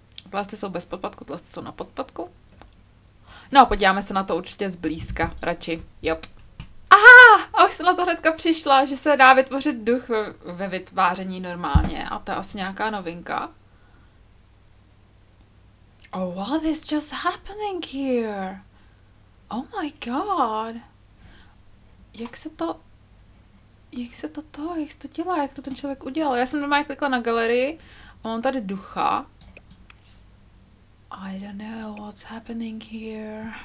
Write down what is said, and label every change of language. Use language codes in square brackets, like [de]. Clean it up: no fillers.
[cs] Tlasty jsou bez podpadku, tlasty jsou na podpadku. No a podíváme se na to určitě zblízka, radši, jop. A už jsem na to hnedka přišla, že se dá vytvořit duch ve vytváření normálně a to je asi nějaká novinka. [en] Oh, what is just happening here? Oh my god. [cs] Jak se to dělá, jak to ten člověk udělal? Já jsem normálně klikla na galerii a mám tady ducha. [en] I don't know what's happening here.